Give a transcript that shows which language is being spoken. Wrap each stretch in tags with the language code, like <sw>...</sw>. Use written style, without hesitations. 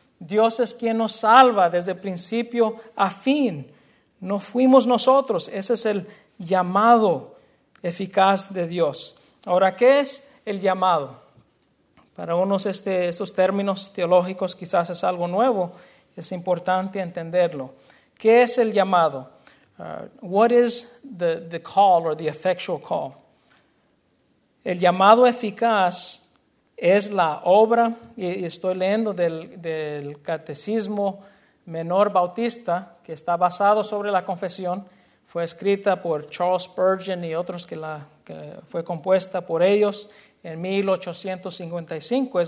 <es>Dios es quien nos salva desde principio a fin. No fuimos nosotros. Ese es el llamado eficaz de Dios. Ahora, ¿qué es el llamado? Para unos estos términos teológicos quizás es algo nuevo. Es importante entenderlo. ¿Qué es el llamado?</es> <en>What is the call or the effectual call?</en> <es>El llamado eficaz es la obra, y estoy leyendo del Catecismo Menor Bautista, que está basado sobre la confesión. Fue escrita por Charles Spurgeon y otros que fue compuesta por ellos en 1855.</es>